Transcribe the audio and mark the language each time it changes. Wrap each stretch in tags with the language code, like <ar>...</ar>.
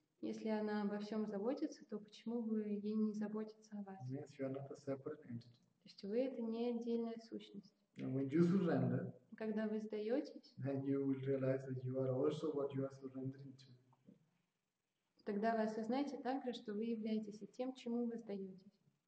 <ru>Если она обо всем заботится, то почему бы ей не заботиться о вас?</ru> <en>Yes, you are not a separate entity.</en> <ru>То есть вы это не отдельная сущность.</ru> <en>And when you surrender,</en> <ru>когда вы сдаетесь,</ru> <en>then you will realize that you are also what you are surrendering to.</en> <ru>Тогда вы осознаете также, что вы являетесь тем, чему вы сдаетесь.</ru>